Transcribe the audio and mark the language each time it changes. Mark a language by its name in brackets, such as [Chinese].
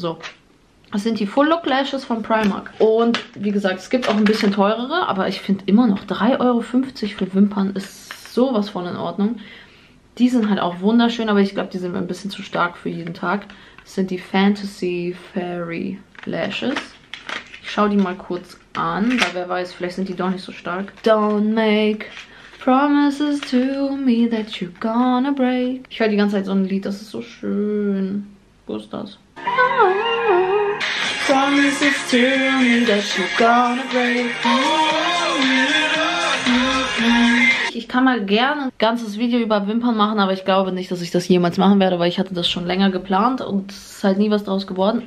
[German] So, das sind die Full Look Lashes von Primark. Und wie gesagt, es gibt auch ein bisschen teurere, aber ich finde immer noch 3,50 Euro für Wimpern ist sowas von in Ordnung. Die sind halt auch wunderschön, aber ich glaube, die sind ein bisschen zu stark für jeden Tag. Das sind die Fantasy Fairy Lashes. Ich schaue die mal kurz an, weil wer weiß, vielleicht sind die doch nicht so stark. [English] Don't make promises to me that you're gonna break. [German] Ich höre die ganze Zeit so ein Lied, das ist so schön. Wo ist das? [English] Promises to me that you're gonna break. [German] Ich kann mal gerne ein ganzes Video über Wimpern machen, aber ich glaube nicht, dass ich das jemals machen werde, weil ich hatte das schon länger geplant und es ist halt nie was draus geworden.